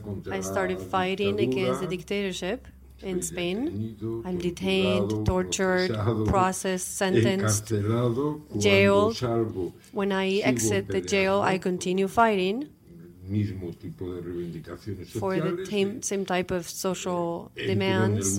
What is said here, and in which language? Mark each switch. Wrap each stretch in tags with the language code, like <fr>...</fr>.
<en>I started fighting against the dictatorship in Spain. I'm detained, tortured, processed, sentenced, jailed. When I exit the jail, I continue fighting.</en> <es>Mismo tipo de reivindicaciones sociales,</es> <en>for the same type of social demands.</en>